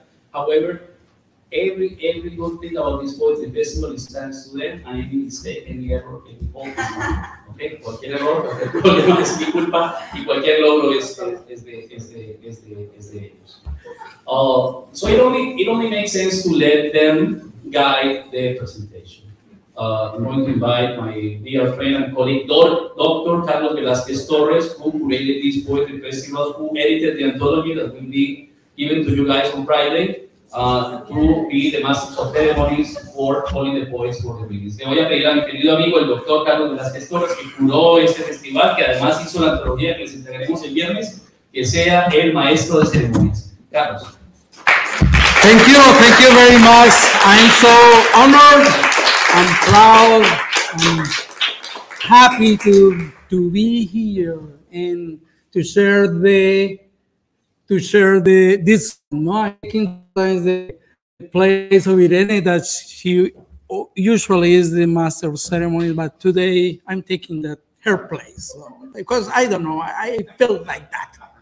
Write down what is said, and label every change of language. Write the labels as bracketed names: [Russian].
[English] However, Every good thing about this poetry festival is thanks to them, and any mistake, any error, any fault is mine. Okay? [Spanish] Cualquier error, cualquier problema es mi culpa, y cualquier logro es de ellos. [English] So it only makes sense to let them guide the presentation. I'm going to invite my dear friend and colleague, Dr. Carlos Velázquez Torres, who created this poetry festival, who edited the anthology that will be given to you guys on Friday. To be the master of ceremonies for calling the poets for the readings. [Spanish] Le voy a pedir a mi querido amigo, el doctor Carlos Velázquez Torres, que curó este festival, que además hizo la antología que les entregaremos el viernes, que sea el maestro de ceremonias. Carlos. [English] Thank you very much. I'm so honored and proud and happy to be here and to share this making sometimes the place of Irene, that she usually is the master of ceremonies, but today I'm taking that her place because I don't know, I feel like that.